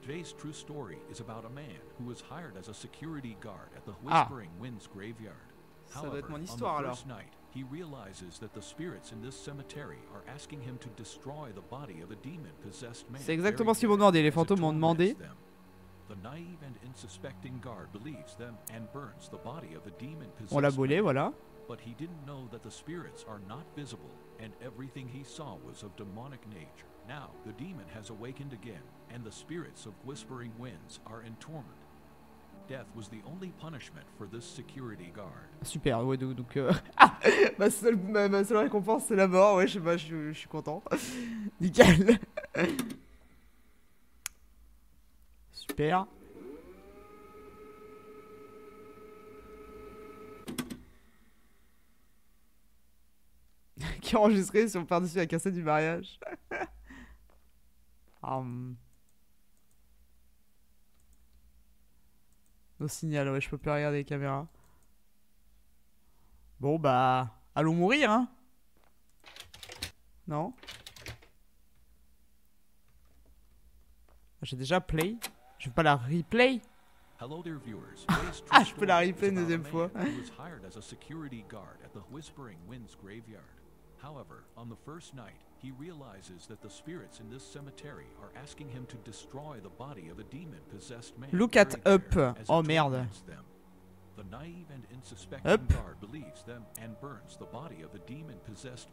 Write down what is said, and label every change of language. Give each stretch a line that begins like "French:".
English: Today's true story is about a man who was hired as a security guard at the Whispering Winds graveyard.
French: Ça doit être mon histoire alors.
English: He realizes that the spirits in this cemetery are asking him to destroy the body of a demon-possessed man.
French: C'est exactement ce qu'ils m'ont demandé, les fantômes m'ont demandé.
English: The naive and unsuspecting guard believes them and burns the body of the demon-possessed
French: man. On l'a brûlé, voilà.
English: But he didn't know that the spirits are not visible and everything he saw was of demonic nature. Now, the demon has awakened again and the spirits of Whispering Winds are in torment. Death was the only punishment for this security guard.
French: Super, ouais, donc ah, ma seule récompense c'est la mort, ouais, je sais pas, je suis content. Nickel. Super. Qui a enregistré sur par-dessus la cassette du mariage. Nos signal, ouais, je peux plus regarder les caméras. Bon, bah, allons mourir, hein. Non. J'ai déjà play. Je veux pas la replay.
English: Hello there, viewers.
French: Ah, je peux la replay une deuxième fois.
English: He was hired as a security guard at the Whispering Winds graveyard. However, on the first night, he realizes that the spirits in this cemetery are asking him to destroy the body of a demon-possessed man. Look at up. Oh merde. The naive and unsuspecting guard believes them and burns the body of a demon-possessed